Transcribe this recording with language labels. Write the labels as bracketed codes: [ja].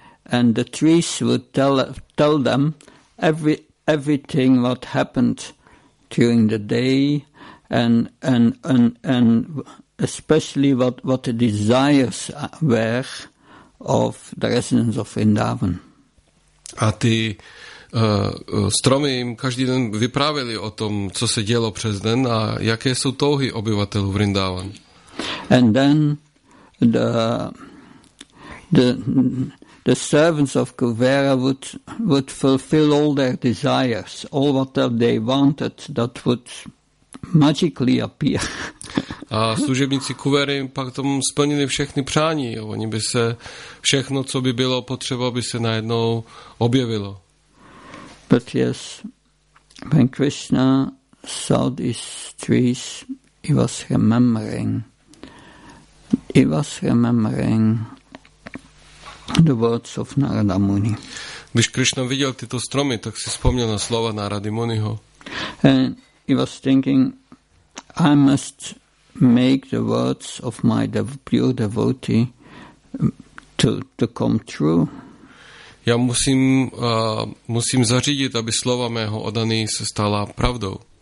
[en] And the trees would tell them everything what happened during the day and especially what the desires were of the residents of Vrindavan. [cs] A ty stromy jim každý den vyprávěli o tom, co se dělo přes den a jaké jsou touhy obyvatelů Vrindavan. [en] And then the servants of Kuvera would fulfill all their desires, all what they wanted that would magically appear. [cs] A služebníci Kuvery pak tomu splnili všechny přání. Jo. Oni by se všechno, co by bylo potřeba, by se najednou objevilo. [en] But yes, when Krishna saw these trees, he was remembering the words of Narada Muni. [cs] Když Krishna viděl tyto stromy, tak si vzpomněl na slova Narady Muniho. [en] And he was thinking, I must make the words of my pure devotee to come true. [cs] Já musím zařídit, aby slova mého oddaný se stala pravdou.